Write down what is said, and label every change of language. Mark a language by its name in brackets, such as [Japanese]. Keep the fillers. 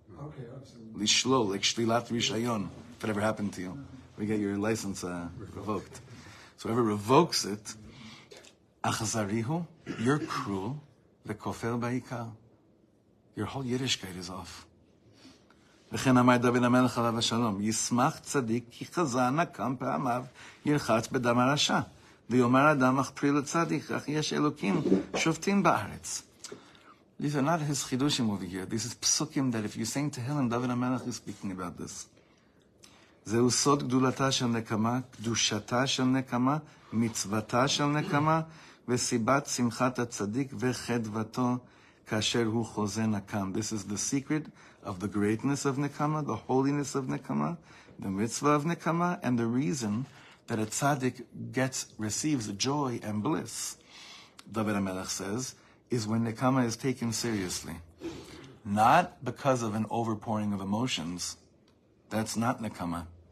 [English] Okay, absolutely. Lishlol, like [Hebrew] shlilat rishayon, [English] if it ever happened to you. We get your license uh, revoked. So whoever revokes it, achazarihu, you're cruel, [Hebrew] v'kofel ba'ikal. [English] Your whole Yiddishkeit is off. [Hebrew] וכן אמר דוד המלך עליו השלום, ישמח צדיק כי חזה נקם פעמיו, ירחץ בדם הרשע. ויאמר אדם אך פרי לצדיק, אך יש אלוקים שופטים בארץ. [English] These are not his chidushim over here. This is psukim that if you sing Tehillim, David HaMelech is speaking about this. [Hebrew] זהו סוד גדולתה של נקמה, קדושתה של נקמה, מצוותה של נקמה, וסיבת שמחת הצדיק וחדוותו כאשר הוא חוזה נקם. [English] This is the secret of the greatness of נקמה, the holiness of נקמה, the mitzvah of נקמה, and the reason that a tzaddik gets, receives joy and bliss, David HaMelech says, is when nekama is taken seriously. Not because of an overpouring of emotions, that's not nakama.